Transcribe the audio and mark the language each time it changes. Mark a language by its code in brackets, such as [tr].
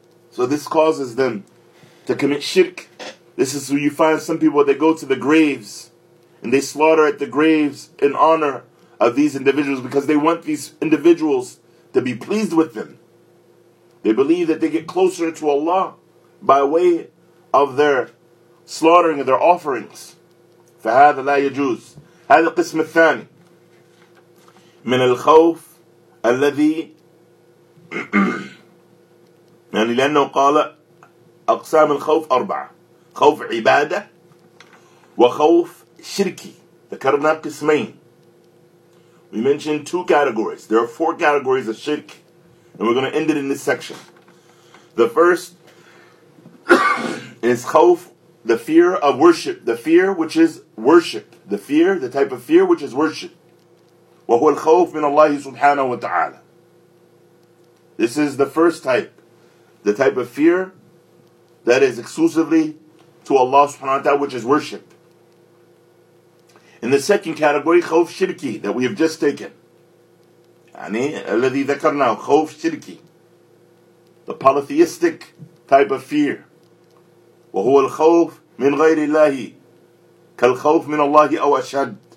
[en] So this causes them to commit shirk. This is where you find some people, they go to the graves and they slaughter at the graves in honor of these individuals because they want these individuals to be pleased with them. They believe that they get closer to Allah by way of their slaughtering of their offerings. [ar] فهذا لا يجوز. هذا القسم الثاني من الخوف الذي يعني لأنه قال أقسام الخوف أربعة: خوف عبادة وخوف شركي. ذكرنا قسمين. [en] We mentioned two categories. There are four categories of shirk, and we're going to end it in this section. The first is خوف, the fear of worship, the fear which is worship, the fear, the type of fear which is worship. [ar] وهو الخوف من الله سبحانه وتعالى. [en] This is the first type, the type of fear that is exclusively to Allah subhanahu wa ta'ala, which is worship. In the second category, خوف شركي, that we have just taken. [ar] يعني الذي ذكرنا خوف شركي, [en] the polytheistic type of fear. [ar] وهو الخوف من غير الله كالخوف من الله أو أشد.